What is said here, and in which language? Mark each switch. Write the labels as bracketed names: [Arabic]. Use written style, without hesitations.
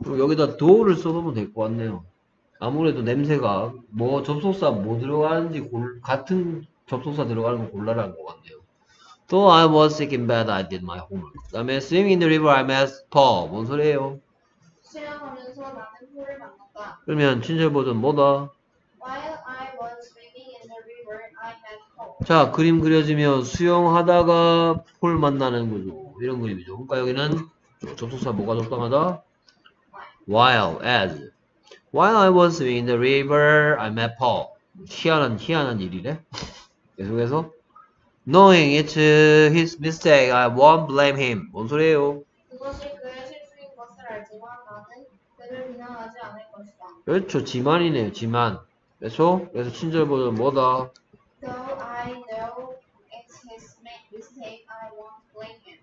[Korean] 그리고 여기다 do를 써놓으면 될것 같네요. 아무래도 냄새가 뭐 접속사 뭐 들어가는지 같은 접속사 들어가는 거 곤란한 것 같네요. [English] Though I was sick in bed, I did my homework. [Korean] 그 다음에 [English] swimming in the river, I met Paul. [Korean] 뭔 소리예요? 수영하면서 나는 풀을 만났다. 그러면 친절 버전 뭐다? [English] While I was swimming in the river, I met Paul. [Korean] 자, 그림 그려지면 수영하다가 폴 만나는 거죠. 이런 그림이죠. 그러니까 여기는 접속사 뭐가 적당하다? [English] While, as. While I was swimming in the river, I met Paul. [Korean] 희한한 일이래. 계속해서. [English] Knowing it's his mistake, I won't blame him. [Korean] 뭔 소리예요? 그것이 그의 실수인 것을 알지만 나는 그를 비난하지 않을 것이다. 그렇죠. 지만이네요. 지만. 그래서 친절 버전 뭐다? [English] Though I know it's his mistake, I won't blame him.